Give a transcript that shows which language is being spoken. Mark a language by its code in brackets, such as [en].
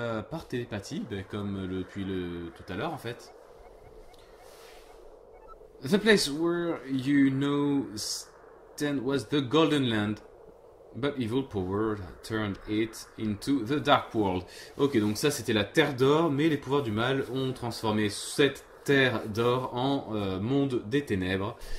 [fr] Par télépathie, ben comme depuis le tout à l'heure en fait. [en] The place where you know stand was the Golden Land, but evil power turned it into the Dark World. [fr] Ok, donc ça c'était la Terre d'Or, mais les pouvoirs du mal ont transformé cette Terre d'Or en monde des ténèbres.